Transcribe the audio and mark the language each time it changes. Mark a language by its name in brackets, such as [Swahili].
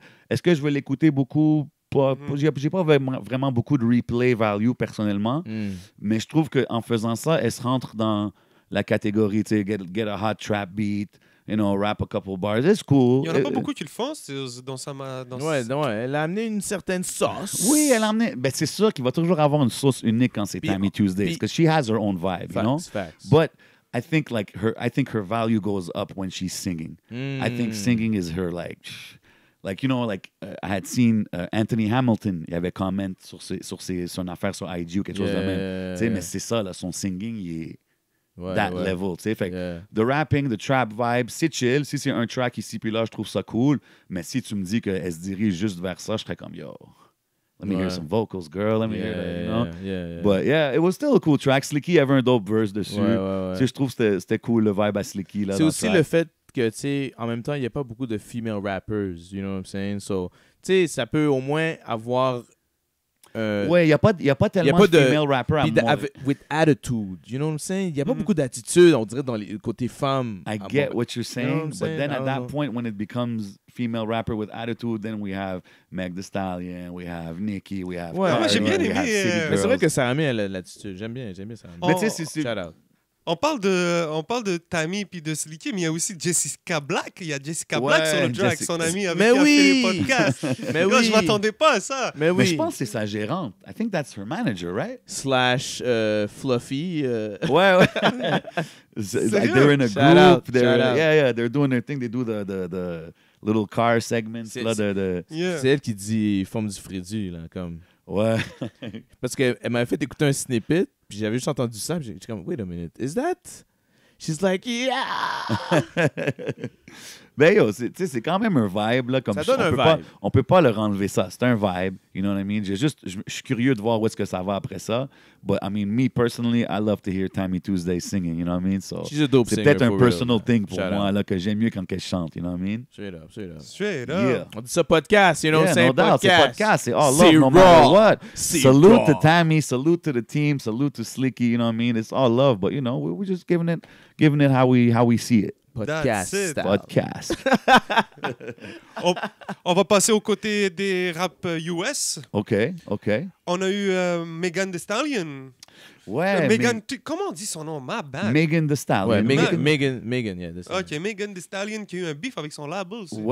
[French] Est-ce que je vais l'écouter beaucoup? J'ai pas vraiment beaucoup de replay value personnellement, mais je trouve qu'en faisant ça, elle se rentre dans la catégorie, tu sais, [English] get a hot trap beat, you know, rap a couple bars, it's cool. [French] Il y en a pas beaucoup qui le font, c'est dans sa... elle a amené une certaine sauce. Oui, elle a amené... Ben, c'est sûr qu'il va toujours avoir une sauce unique quand c'est Tammy Tuesday, parce que [English] she has her own vibe, facts, you know? Facts. But I think, like, her value goes up when she's singing. I think singing is her, like... Like, you know, like, I had seen Anthony Hamilton, [French] il avait comment sur son affaire sur IG ou quelque chose de même. Mais c'est ça, là, son singing, il est... level, tu sais. Fait que [English] the rapping, the trap vibe, [French] c'est chill. Si c'est un track ici puis là, je trouve ça cool. Mais si tu me dis qu'elle se dirige juste vers ça, je serais comme, [English] yo, let me hear some vocals, girl. Let me hear that, you know? But yeah, it was still a cool track. [French] Slicky avait un dope verse dessus. Tu sais, je trouve que c'était cool, le vibe à Slicky, là. C'est aussi le fait que, tu sais, en même temps, il n'y a pas beaucoup de [English] female rappers, you know what I'm saying? [French] So, tu sais, ça peut au moins avoir... ouais, il n'y a pas tellement y a pas de female rapper à moi. [English] With attitude, you know what I'm saying? [French] Il n'y a pas beaucoup d'attitude, on dirait, dans les côtés femmes. [English] I get what you're saying, you know what I'm saying? But then at that point, when it becomes female rapper with attitude, then we have Meg Thee Stallion, we have Nicki, we have... [French] Ouais, moi, j'aime bien Nicki. Mais c'est vrai que Sammy, elle a l'attitude. J'aime bien Sammy. Mais tu sais, c'est... [English] Shout out. [French] On parle de Tammy puis de Slicky, mais il y a aussi Jessica Black. Il y a Jessica Black sur le track, son amie avec qui a fait le podcast. Mais oui! Je m'attendais pas à ça. Mais oui! Mais je pense que c'est sa gérante. [English] I think that's her manager, right? [French] Slash Fluffy. [English] Ouais. They're in a group. Shout out. They're doing their thing. They do the little car segment. [French] C'est elle qui dit forme du Frédu, là, comme... Ouais. Parce qu'elle m'avait fait écouter un snippet, puis j'avais juste entendu ça, puis j'étais comme, [English] wait a minute, is that? She's like, yeah! [French] Ben yo, c'est quand même un vibe, là. Comme ça donne un vibe. On peut pas leur enlever ça, c'est un vibe, [English] you know what I mean? [French] Je suis curieux de voir où est-ce que ça va après ça. [English] But I mean, me personally, I love to hear Tammy Tuesday singing, you know what I mean? So, she's a dope [French] singer. C'est peut-être un personal [English] real, [French] thing pour moi, là, que j'aime mieux quand qu'elle chante, [English] you know what I mean? Straight up. Yeah. [French] On dit ça podcast, [English] you know what I'm saying? No doubt, podcast. [French] C'est podcast, c'est [English] all love, no matter what. Salute to Tammy, salute to the team, salute to Slicky, you know what I mean? It's all love, but you know, we're just giving it how we see it. Podcast. [French] On va passer aux côtés des rap US. OK. On a eu Megan Thee Stallion. Ouais. Comment on dit son nom? [English] My bad. [French] Megan Thee Stallion. Ouais, Megan, yeah. OK, Megan Thee Stallion qui a eu un beef avec son label.